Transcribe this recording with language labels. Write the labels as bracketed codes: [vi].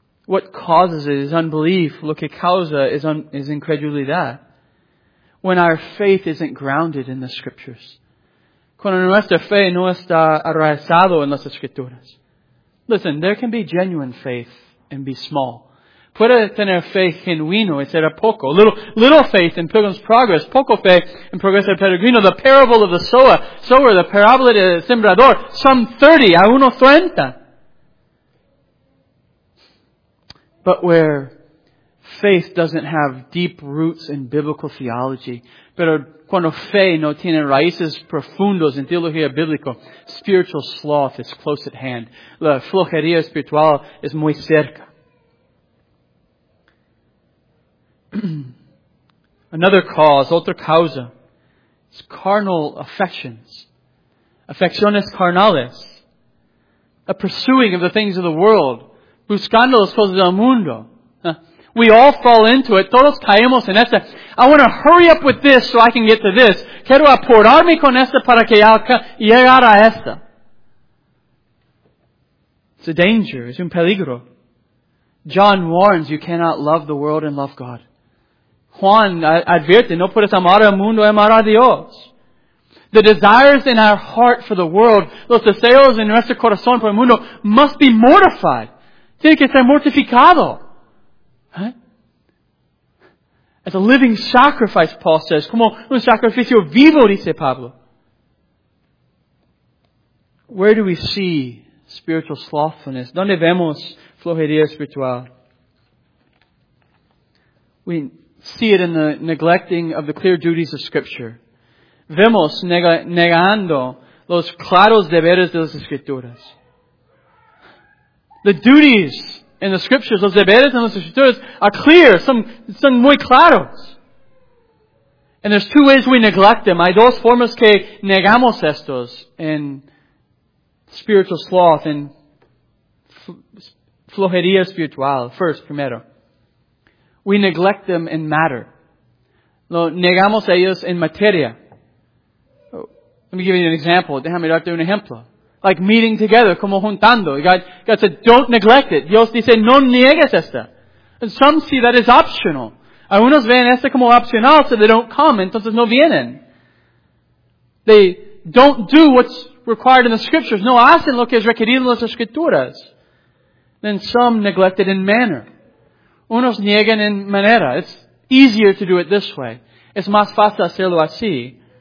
[en] What causes it is unbelief. [es] Lo que causa [en] is incredulidad. When our faith isn't grounded in the scriptures. [es] Cuando nuestra fe no está arraigado en las escrituras. [en] Listen, there can be genuine faith and be small. [es] Puede tener fe genuino y ser poco. [en] Little faith in Pilgrim's Progress. [es] Poco fe en Progreso Peregrino. [en] The parable of the sower, the parable of the sembrador. [es] Some 30 a uno 30. [en] But where faith doesn't have deep roots in biblical theology, [es] pero cuando fe no tiene raíces profundas en teología bíblica, [en] spiritual sloth is close at hand. [es] La flojería espiritual es muy cerca. [en] Another cause, [es] otra causa, [en] is carnal affections. [es] Afecciones carnales. [en] A pursuing of the things of the world. [es] Buscando las cosas del mundo. [en] We all fall into it. [es] Todos caemos en esta. [en] I want to hurry up with this so I can get to this. [es] Quiero apurarme con esta para que llegar a esta. [en] It's a danger. [es] Es un peligro. [en] John warns, you cannot love the world and love God. [es] Juan advierte, no puedes amar al mundo y amar a Dios. [en] The desires in our heart for the world, [es] los deseos en nuestro corazón por el mundo, [en] must be mortified. [es] Tiene que ser mortificado. ¿Eh? [en] As a living sacrifice, Paul says. [es] Como un sacrificio vivo, dice Pablo. [en] Where do we see spiritual slothfulness? [es] ¿Dónde vemos flojería espiritual? [en] We see it in the neglecting of the clear duties of Scripture. [es] Vemos negando los claros deberes de las Escrituras. [en] The duties in the scriptures, [es] los deberes en las escrituras, [en] are clear, [es] son muy claros. [en] And there's two ways we neglect them. [es] Hay dos formas que negamos estos en [en] spiritual sloth and [es] flojería espiritual. [en] First, [es] primero. [en] We neglect them in matter. [es] Lo negamos a ellos en materia. [en] Let me give you an example. [es] Déjame darte un ejemplo. [en] Like meeting together, [es] como juntando. [en] God said, don't neglect it. [es] Dios dice, no niegues esta. [en] And some see that as optional. [es] Algunos ven esta como opcional, [en] so they don't come, [es] entonces no vienen. [en] They don't do what's required in the scriptures. [es] No hacen lo que es requerido en las escrituras. [en] Then some neglect it in manner. [es] Unos niegan en manera. [en] It's easier to do it this way. [es] Es más fácil hacerlo así.